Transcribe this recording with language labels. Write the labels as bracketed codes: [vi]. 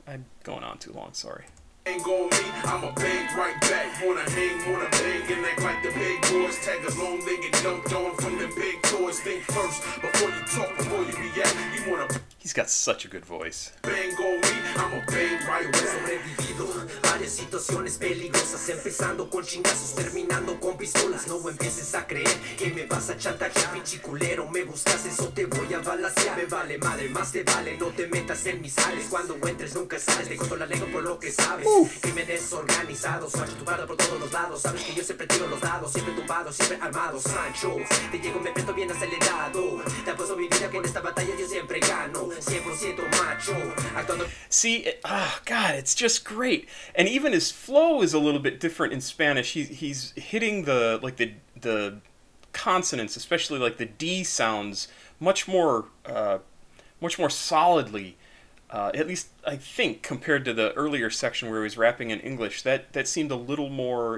[en] I'm going on too long, sorry. Ain't gon' me, I'ma bang right back. Wanna hang, wanna bang, and act like the big boys. Tag along, they get dumped on from the big toys. Think first, before you talk, before you react. You wanna... He's got such a good voice. Bang on me, I'ma bang right back. [es] Sobrevivido a varias situaciones peligrosas. Empezando con chingazos, terminando con pistolas. No empieces a creer que me vas a chantajear. Pinche culero, me buscas, eso te voy a balasear. Me vale madre, más te vale, no te metas en mis sales. Cuando entres nunca sales, te corto la lengua por lo que sabes. Que me desorganizado, Sancho tumbado por todos los lados. Sabes que yo siempre tiro los dados, siempre tumbado, siempre armado. Sancho, te llego, me meto bien acelerado. Te apuesto mi vida que en esta batalla yo siempre gano. [en] 100% macho. See, God, it's just great. And even his flow is a little bit different in Spanish. He's hitting the consonants, especially like the D sounds, much more solidly. At least I think, compared to the earlier section where he was rapping in English, that seemed a little more...